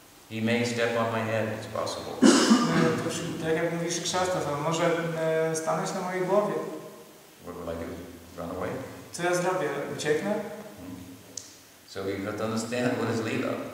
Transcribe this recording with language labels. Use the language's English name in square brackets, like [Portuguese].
[English] He may step on my head, it's possible. [Polish] Tak jak mówisz chikshastak, to może stanąć na mojej głowie. [English] What will I do? Run away? [Polish] Co ja zrobię? Ucieknę? [English] So we have to understand what is lila.